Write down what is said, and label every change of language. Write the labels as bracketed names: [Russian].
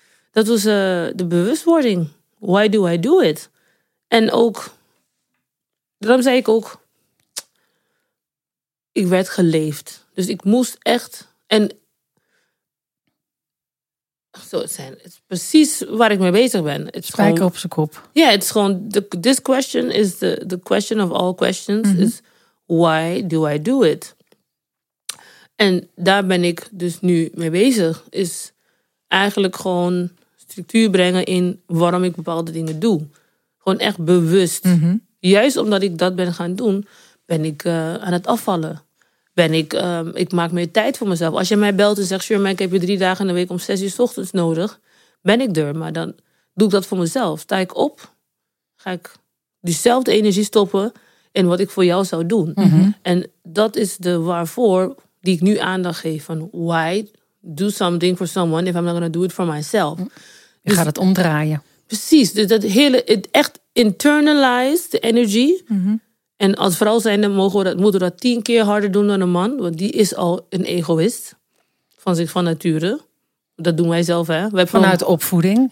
[Dutch] Dat was de bewustwording. [English] Why do I do it? [Dutch] En ook... Daarom zei ik ook... Ik werd geleefd. Dus ik moest echt... En zo zijn. Het is precies waar ik mee bezig ben. Spijker gewoon, op zijn kop. Ja, het is gewoon... [English] This question is the question of all questions. Mm-hmm. Is why do I do it? [Dutch] En daar ben ik dus nu mee bezig. Is eigenlijk gewoon structuur brengen in waarom ik bepaalde dingen doe. Gewoon echt bewust. Mm-hmm. Juist omdat ik dat ben gaan doen... Ben ik aan het afvallen? Ben ik, ik maak meer tijd voor mezelf. Als je mij belt en zegt, [English] sure, man, [Dutch] ik heb je 3 dagen in de week om 6 uur 's ochtends nodig, ben ik er. Maar dan doe ik dat voor mezelf. Sta ik op, ga ik diezelfde energie stoppen in wat ik voor jou zou doen. Mm-hmm. En dat is de waarvoor die ik nu aandacht geef. [English] Van why do something for someone if I'm not gonna do it for myself? [Dutch] Je dus, gaat het omdraaien. Precies. Dus dat hele, het echt internalize de energie. Mm-hmm. En als vrouw zijnde mogen we dat, moeten we dat 10 keer harder doen dan een man. Want die is al een egoïst. Van zich van nature. Dat doen wij zelf, hè. Vanuit opvoeding.